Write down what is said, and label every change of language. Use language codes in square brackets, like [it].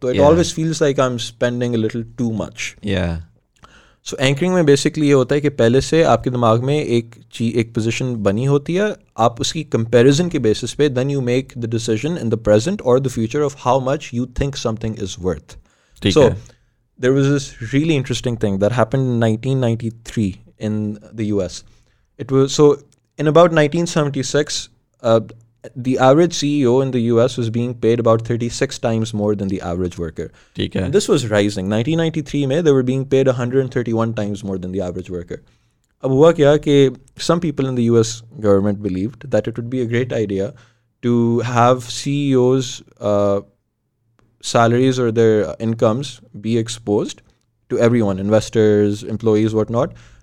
[ur] تو [en] It always feels like I am spending a little too much. [ur] So anchoring میں basically یہ ہوتا ہے کہ پہلے سے آپ کے دماغ میں ایک پوزیشن بنی ہوتی ہے, آپ اس کی کمپیریزن کے بیسس پہ [en] Then you make the decision in the present اور the future of how much you think something is worth. So there was this really interesting thing that happened 1993 in the US. It was so in about 1976, the average CEO in the US was being paid about 36 times more than the average worker. Okay. This was rising. 1993 [ur] mein, [en] they were being paid 131 times more than the average worker. [ur] Ab hua kya ke [en] some people in the US government believed that it would be a great idea to have CEOs' salaries or their incomes be exposed to everyone, investors, employees, whatnot.